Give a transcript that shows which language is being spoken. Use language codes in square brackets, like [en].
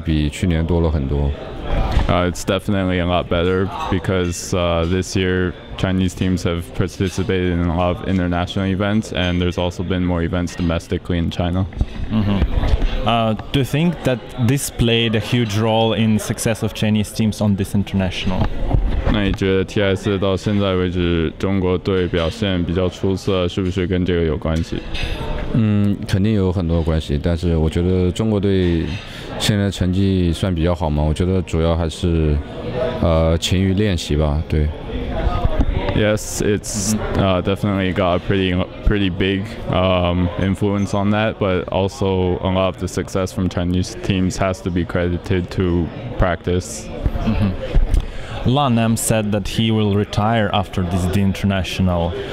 [zh] 肯定是要比去年好很多的。今年中国队伍都参加了很多国外的比赛，而且国内的比赛也比去年多了很多。 [en] It's definitely a lot better because this year Chinese teams have participated in a lot of international events, and there's also been more events domestically in China. Do you think that this played a huge role in success of Chinese teams on this international? [zh] 那你觉得 TS 到现在为止中国队表现比较出色，是不是跟这个有关系？嗯，肯定有很多关系，但是我觉得中国队现在成绩算比较好嘛，我觉得主要还是勤于练习吧，对。 [en] Yes, it's definitely got a pretty big influence on that, but also a lot of the success from Chinese teams has to be credited to practice. Lan Em said that he will retire after this the international.